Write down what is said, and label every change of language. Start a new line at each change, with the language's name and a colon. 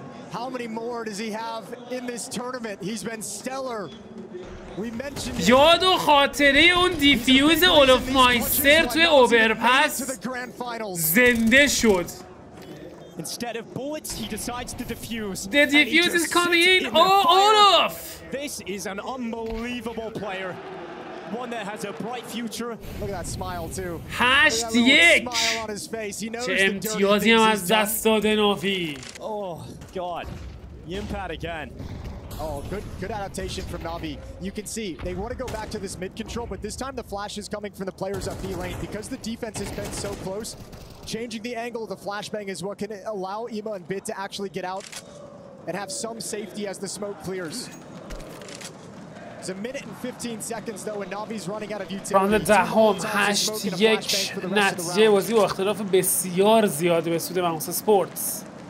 English: how many more does he have in this tournament? He's been stellar. We mentioned
Persian: یاد و خاطره اون دیفیوز اولف مایستر توی اوورپاس زنده شد.
English: Instead of bullets, he decides to defuse. The defuse is coming in. Oh, Olaf! This is an unbelievable player. One that has a bright future. Look at that smile too. #1. Oh god. Yimpat again. Oh, good adaptation from Na'Vi. You can see they want to go back to this mid control, but this time the flash is coming from the players up B lane. Because the defense has been so close, changing the angle of the flashbang is what can allow Ima and Bit to actually get out and have some safety as the smoke clears. It's a minute and 15 seconds though, and Na'Vi's running out of utility. Round 10, 8-1.
Persian: نتیجه بازی با اختلاف بسیار زیاد به سود ماوس اسپورتس.